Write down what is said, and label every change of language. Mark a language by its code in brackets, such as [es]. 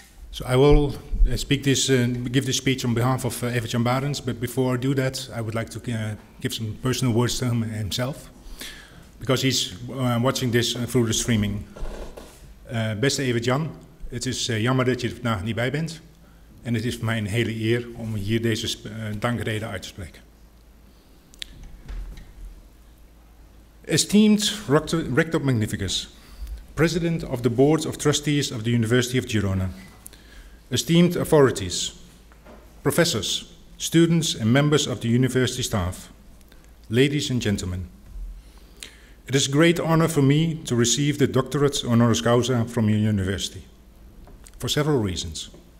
[en] So I will give this speech on behalf of Evert Jan Baerends, but before I do that, I would like to give some personal words to him himself, because he's watching this through the streaming. [nl] Beste Evert Jan, het is jammer dat je er vandaag niet bij bent. En het is voor mij een hele eer om hier deze dankrede uit te spreken. [en] Esteemed Rector Magnificus, President of the Board of Trustees of the University of Girona, esteemed authorities, professors, students, and members of the university staff, ladies and gentlemen, it is a great honor for me to receive the doctorate honoris causa from your university for several reasons.